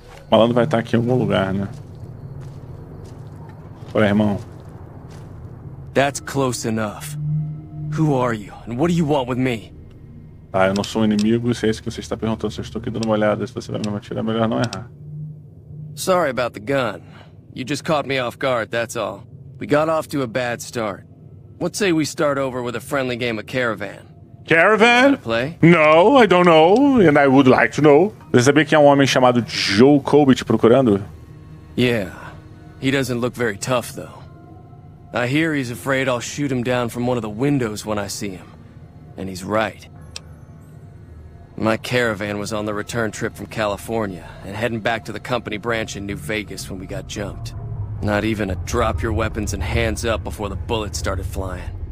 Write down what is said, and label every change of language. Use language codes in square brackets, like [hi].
[pt] O malandro vai estar aqui em algum lugar, né? Olha, irmão. [en] That's close enough. Who are you? And what do you want with me? [pt] Tá, eu não sou um inimigo, se é isso que você está perguntando. Se eu estou aqui dando uma olhada, se você vai me atirar, melhor não errar. [en] Sorry about the gun. You just caught me off guard, that's all. We got off to a bad start. What say we start over with a friendly game of caravan? Caravan? Play? No, I don't know, and I would like to know. [pt] Você sabia que é um homem chamado Joe Colby te procurando? [en] Yeah, he doesn't look very tough, though. I hear he's afraid I'll shoot him down from one of the windows when I see him. And he's right. My caravan was on the return trip from California and heading back to the company branch in New Vegas when we got jumped. Not even a drop your weapons and hands up before the bullets started flying.